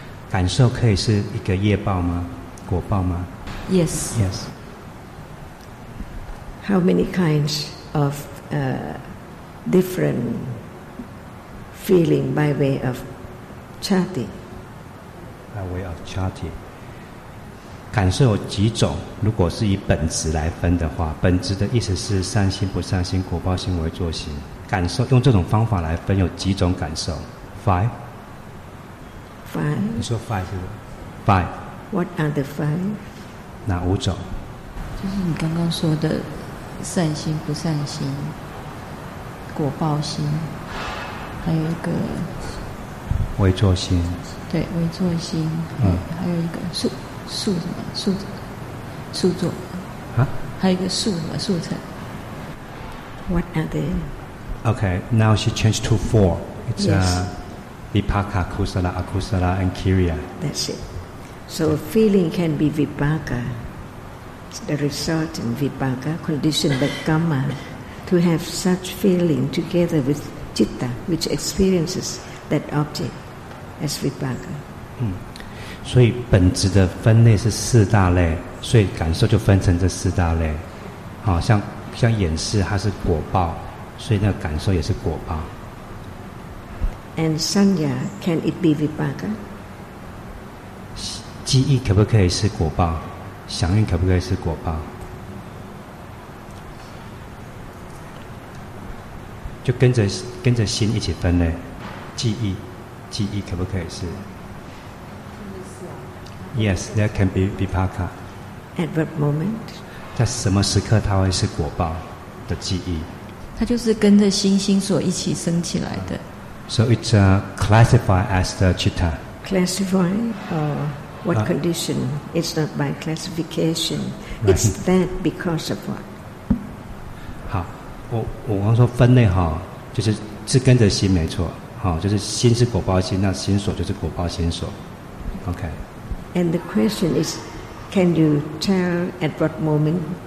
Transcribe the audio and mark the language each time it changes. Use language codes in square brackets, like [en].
[zh] 感受可以是一个业报吗？果报吗？ [en] Yes. Yes. How many kinds of different feeling by way of chatti? By way of chatti. [zh] 感受有几种？如果是以本质来分的话，本质的意思是善心、不善心、果报心、为作心。感受用这种方法来分有几种感受 ？ [en] Five. Five. [zh] 你说 five 是什么 ？ [en] Five. What are the five? [zh] 哪五种？就是你刚刚说的善心、不善心、果报心，还有一个为作心。对，为作心。嗯。还有一个树什么树？树作。啊？还有一个树什么树成 [en] ？What are they? Okay, now she changed to four. It's vipaka, kusala, akusala, and kriya. That's it. So feeling can be vipaka. It's the result in vipaka, conditioned by karma, to have such feeling together with citta, which experiences that object as vipaka. [zh] 所以本质的分类是四大类，所以感受就分成这四大类。好，像眼识，它是果报。所以那感受也是果报。 [en] And sanya, can it be vipaka? [zh] 记忆可不可以是果报？想念可不可以是果报？就跟着心一起分类，记忆可不可以是 ？ [en] Yes, there can be vipaka. At what moment? [zh] 在什么时刻它会是果报的记忆？它就是跟着心心所一起升起来的。 [en] So it's classified as the citta. Classified or what condition? It's not by classification. It's that because of what? [zh] 好，我刚说分类哈，就是跟着心没错，好，就是心是果报心，那心所就是果报心所。 [en] OK. And the question is, can you tell at what moment?